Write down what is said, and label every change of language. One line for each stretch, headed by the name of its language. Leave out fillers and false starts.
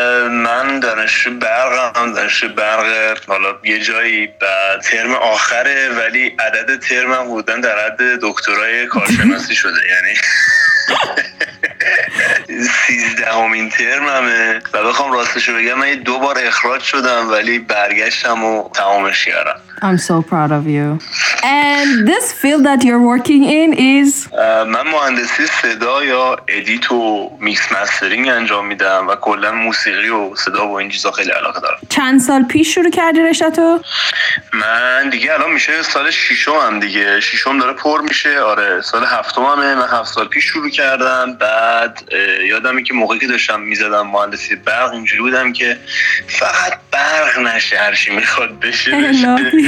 Persian: من دانشجو برقم، دانشجو برق، حالا یه جایی بعد ترم آخره، ولی عدد ترمم بودن در حد دکترای کارشناسی شده، یعنی 13th ترممه. و بخوام راستشو بگم، من دو بار اخراج شدم ولی برگشتم و تمامش کردم.
English: I'm so proud of you. And this field that you're working in is
Persian: من مهندسی صدا یا ادیت و میکس مسترینگ انجام میدم و کلا موسیقی و صدا و این چیزا خیلی علاقه دارم. چند سال پیش شروع کردی رشته‌تو؟ من دیگه الان میشه سال 6م دیگه. 6م داره پر میشه. آره، سال 7ممه. من 7 سال پیش شروع کردم. بعد یادمه که موقعی که داشتم میزدم مهندسی برق، اینجوری بودم که فقط برق نشه، هر چی میخواد بشه بشه.